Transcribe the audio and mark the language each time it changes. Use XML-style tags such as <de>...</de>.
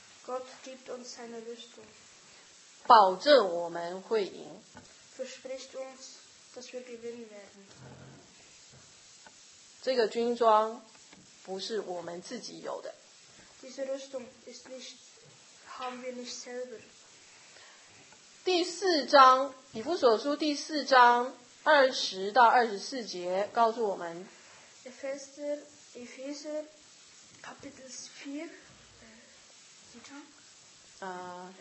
<de>Gott gibt uns seine Rüstung.</de> <zh>保证我们会赢。</zh> <de>Verspricht uns, dass wir gewinnen werden.</de> <zh>这个军装不是我们自己有的。</zh> <de>Diese Rüstung ist nicht, haben wir nicht selber.</de> <zh>第四章以弗所书第四章二十到二十四节告诉我们。</zh> <de>Epheser Kapitel 4,</de> <zh>几章？</zh>